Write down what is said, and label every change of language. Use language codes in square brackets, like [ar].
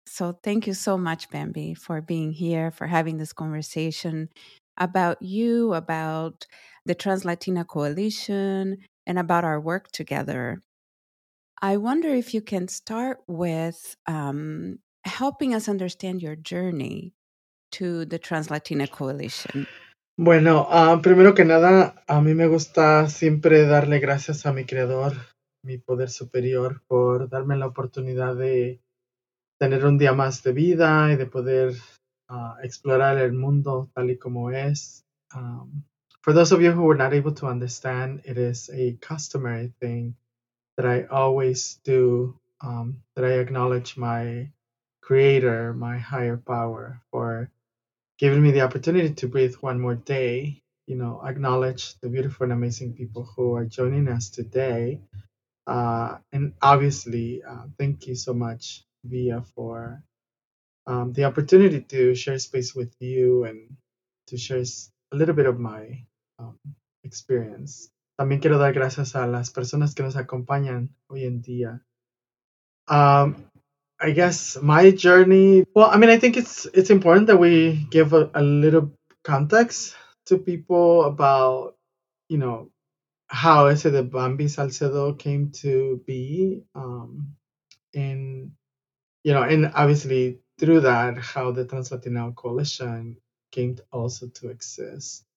[en] So thank you so much, Bambi, for being here, for having this conversation about you, about the Translatina Coalition, and about our work together. I wonder if you can start with helping us understand your journey to the Translatina Coalition. [es] Bueno, primero que nada, a mí me gusta siempre darle gracias a mi creador, mi poder superior, por darme la oportunidad de tener un día más de vida y de poder explorar el mundo tal y como es. [en] For those of you who were not able to understand, it is a customary thing that I always do, that I acknowledge my creator, my higher power, for giving me the opportunity to breathe one more day, you know, acknowledge the beautiful and amazing people who are joining us today. And obviously, thank you so much, Via, for the opportunity to share space with you and to share a little bit of my experience. [es] También quiero dar gracias a las personas que nos acompañan hoy en día. [en] I guess my journey, well, I mean, I think it's important that we give a little context to people about, you know, how is it that Bambi Salcedo came to be. And, you know, and obviously through that, how the Translatina Coalition came also to exist.